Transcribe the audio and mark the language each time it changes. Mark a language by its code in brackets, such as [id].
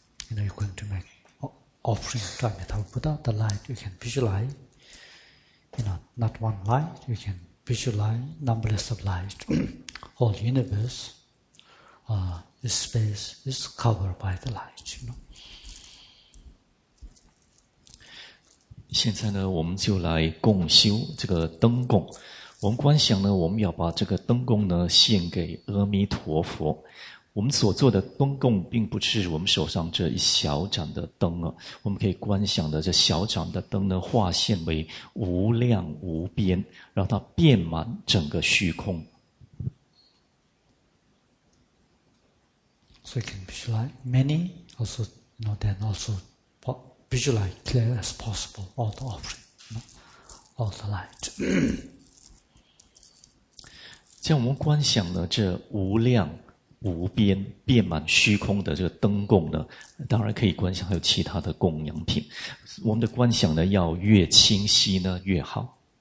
[en] You know, you're going to make offering to Amitabha Buddha, the light you can visualize. You know, not one light, you can visualize numberless of light. Whole universe, this space is covered by the light, you know. [zh] 现在呢，我们就来共修这个灯供。我们观想呢，我们要把这个灯供呢献给阿弥陀佛。我们所做的灯供，并不是我们手上这一小盏的灯啊。我们可以观想的这小盏的灯呢，化现为无量无边，让它遍满整个虚空。 [en] So you can visualize many, also not then also. Visualize clear as possible all the offering, all the light. [zh] 像我们观想呢，这无量无边遍满虚空的这个灯供呢，当然可以观想还有其他的供养品。我们的观想呢，要越清晰呢越好。